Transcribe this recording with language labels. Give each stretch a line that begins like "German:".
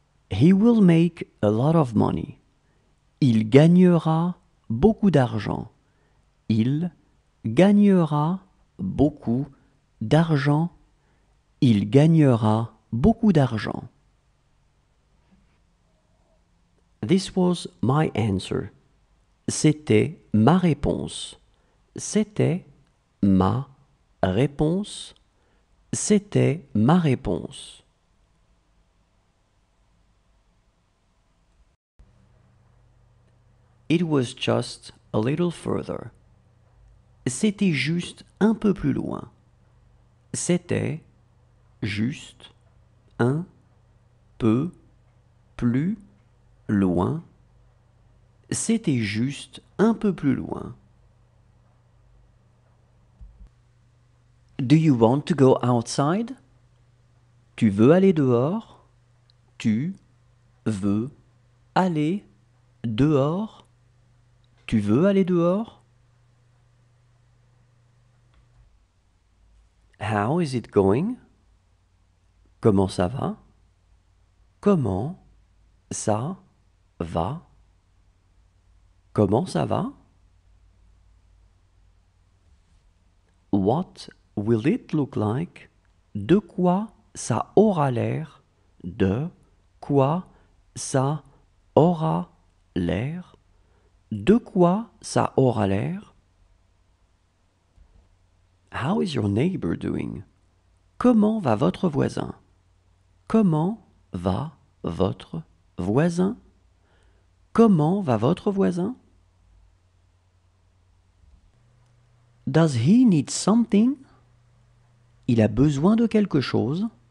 English: He will make a lot of money.
French: Il gagnera beaucoup d'argent. Il gagnera beaucoup d'argent. Il gagnera beaucoup d'argent.
English: This was my answer.
French: C'était ma réponse. C'était ma réponse. C'était ma réponse.
English: It was just a little further.
French: C'était juste un peu plus loin. C'était juste un peu plus loin. C'était juste un peu plus loin.
English: Do you want to go outside?
French: Tu veux aller dehors? Tu veux aller dehors? Tu veux aller dehors?
English: How is it going?
French: Comment ça va? Comment ça va? Comment ça va?
English: What will it look like?
French: De quoi ça aura l'air? De quoi ça aura l'air? De quoi ça aura l'air?
English: How is your neighbor doing?
French: Comment va votre voisin? Comment va votre voisin? Comment va votre voisin?
English: Does he need something?
French: Il a besoin de quelque chose.